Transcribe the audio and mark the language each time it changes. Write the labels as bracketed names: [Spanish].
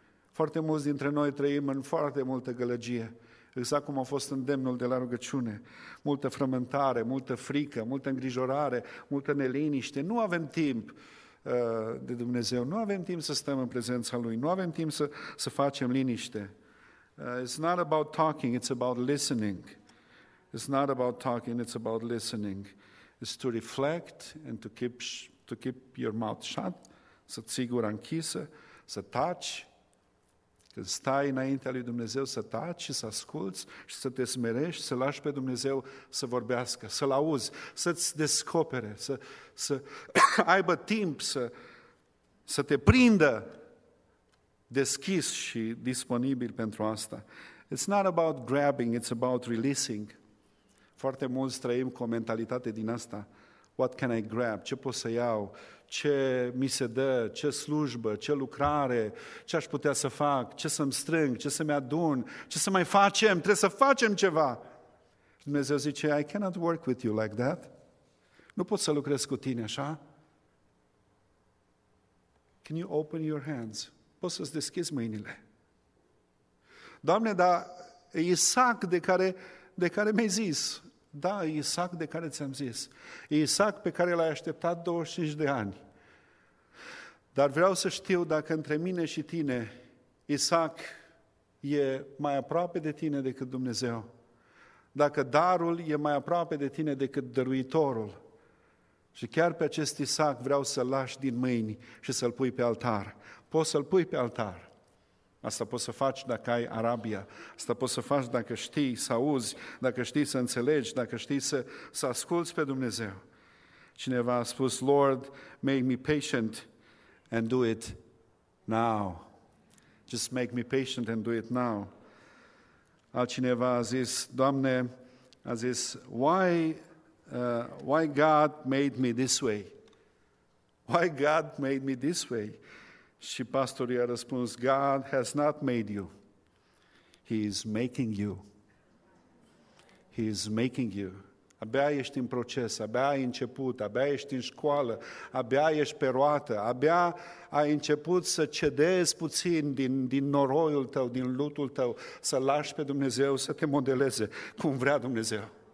[Romanian] Foarte mulți dintre noi trăim în foarte multă gălăgie, exact cum a fost îndemnul de la rugăciune. Multă frământare, multă frică, multă îngrijorare, multă neliniște. Nu avem timp de Dumnezeu, nu avem timp să stăm în prezența Lui, nu avem timp să facem liniște. [English] It's not about talking, it's about listening. It's not about talking, it's about listening. It's to reflect and to keep your mouth shut, [Romanian] să ții gura închisă, să taci. Când stai înaintea lui Dumnezeu, să taci și să asculți și să te smerești, să lași pe Dumnezeu să vorbească, să-L auzi, să-ți descopere, să aibă timp să te prindă deschis și disponibil pentru asta. [English] It's not about grabbing, it's about releasing. [Romanian] Foarte mulți trăim cu o mentalitate din asta. [English] What can I grab? [Romanian] Ce pot să iau? Ce mi se dă? Ce slujbă? Ce lucrare? Ce aș putea să fac? Ce să-mi strâng? Ce să-mi adun? Ce să mai facem? Trebuie să facem ceva! Dumnezeu zice, [English] I cannot work with you like that. [Romanian] Nu pot să lucrez cu tine așa. [English] Can you open your hands? [Romanian] Poți să-ți deschizi mâinile. Doamne, dar e Isaac de care mi-ai zis. Da, e Isaac de care ți-am zis. E Isaac pe care l-ai așteptat 25 de ani. Dar vreau să știu dacă între mine și tine Isaac e mai aproape de tine decât Dumnezeu. Dacă darul e mai aproape de tine decât dăruitorul. Și chiar pe acest Isaac vreau să-l lași din mâini și să-l pui pe altar. Poți să-l pui pe altar. Asta poți să faci dacă ai arabia. Asta poți să faci dacă știi să auzi, dacă știi să înțelegi, dacă știi să asculți pe Dumnezeu. Cineva a spus, [English] Lord, make me patient and do it now. Just make me patient and do it now. [Romanian] Altcineva a zis, Doamne, a zis, [English] why God made me this way? Why God made me this way? [Romanian] Și pastorul i-a răspuns, [English] God has not made you. He is making you. He is making you. [Romanian] Abia ești în proces, abia ai început, abia ești în școală, abia ești pe roată, abia ai început să cedezi puțin din noroiul tău, din lutul tău, să lași pe Dumnezeu să te modeleze cum vrea Dumnezeu.